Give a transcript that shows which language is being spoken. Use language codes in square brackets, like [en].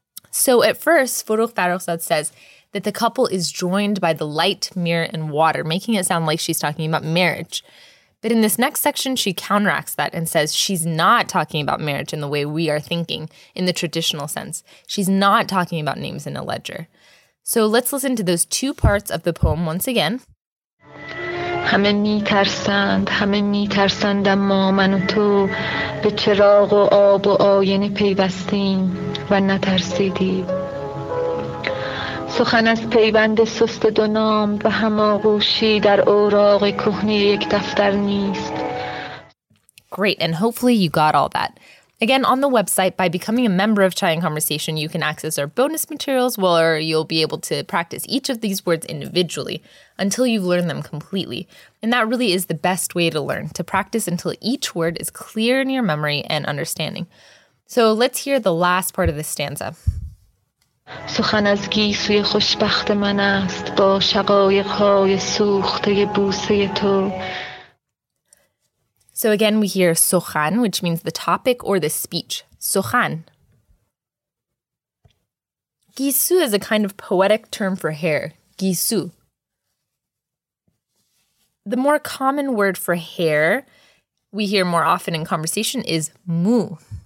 [en] So at first, Forough Farokhzad says that the couple is joined by the light, mirror, and water, making it sound like she's talking about marriage. But in this next section, she counteracts that and says she's not talking about marriage in the way we are thinking, in the traditional sense. She's not talking about names in a ledger. So let's listen to those two parts of the poem once again. [fa] همه میترسند همه میترسند اما من و تو به چراغ و آب و آینه پیوستیم و نترسیدی سخن از پیوند سست دو نام و هم آغوشی در اوراق کهنه یک دفتر نیست. [en] Great, and hopefully you got all that. Again, on the website, by becoming a member of Chai and Conversation, you can access our bonus materials where you'll be able to practice each of these words individually until you've learned them completely. And that really is the best way to learn, to practice until each word is clear in your memory and understanding. So let's hear the last part of this stanza. [fa] سخن از گیسوی خوشبخت من است با شقایق‌های سوخته بوسه تو. [en] So again, we hear sohan, which means the topic or the speech. Sohan. Gisu is a kind of poetic term for hair. Gisu. The more common word for hair we hear more often in conversation is mu.